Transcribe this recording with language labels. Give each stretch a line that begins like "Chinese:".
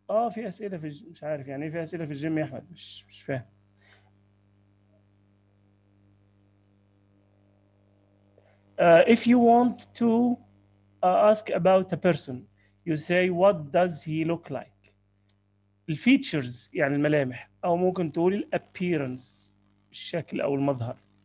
Arabic: في أسئلة في مش عارف يعني في أسئلة في الجيم يا أحمد مش فاهم.
English: If you want to ask about a person, you say, what does he look like?
Arabic: Features, يعني الملامح. أو ممكن تقول appearance, الشكل أو المظهر.